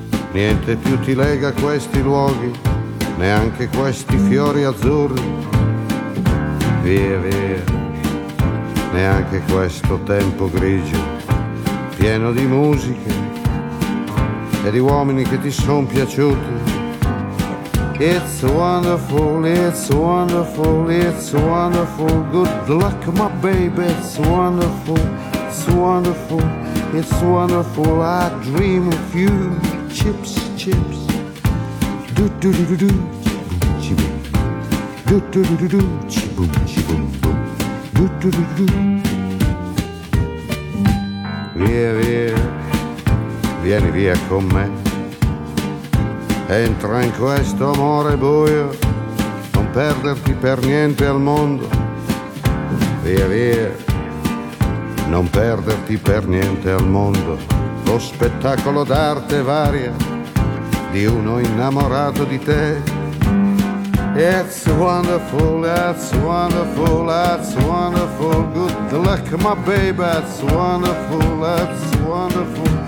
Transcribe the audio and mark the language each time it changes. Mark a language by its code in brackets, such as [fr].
[it] Niente più ti lega questi luoghi, neanche questi fiori azzurri. Via, via, neanche questo tempo grigio, pieno di musiche e di uomini che ti son piaciuti. [en] It's wonderful, it's wonderful, it's wonderful. Good luck, my baby, it's wonderful. It's wonderful, it's wonderful. I dream of you. Chips, chips. Do do do do do. Chibum, chibum. Do do do do do. Chibum, chibum, boom. Do do do do do. [it] Via, via, vieni via con me. Entra in questo amore buio, non perderti per niente al mondo. Via, via, non perderti per niente al mondo. Lo spettacolo d'arte varia di uno innamorato di te. [en] It's wonderful, that's wonderful, that's wonderful. Good luck, my baby, that's wonderful, it's wonderful.